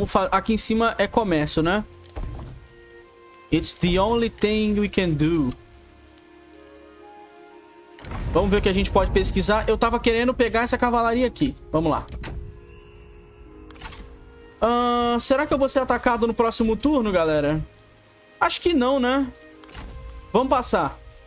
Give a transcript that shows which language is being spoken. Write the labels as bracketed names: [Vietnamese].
[Portuguese] Aqui em cima é comércio, né? [English] It's the only thing we can do. [Portuguese] Vamos ver o que a gente pode pesquisar. Eu tava querendo pegar essa cavalaria aqui. Vamos lá. Será que eu vou ser atacado no próximo turno, galera? Acho que não, né? Vamos passar.